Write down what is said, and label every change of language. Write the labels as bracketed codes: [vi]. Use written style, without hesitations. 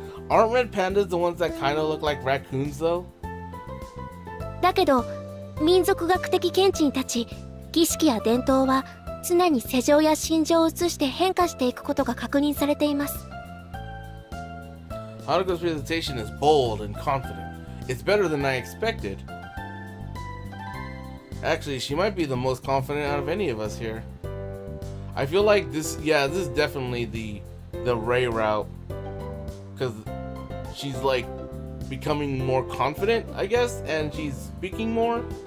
[en] Aren't red pandas the ones that kind of look like raccoons, though? [ja] だけど、民族学的見地に立ち、 儀式や伝統は常に世情や心情を映して変化していくことが確認されています。Hanako's [en] presentation is bold and confident. It's better than I expected. Actually, she might be the most confident out of any of us here. I feel like this, yeah, this is definitely the Ray route. Because she's like becoming more confident, I guess, and she's speaking more.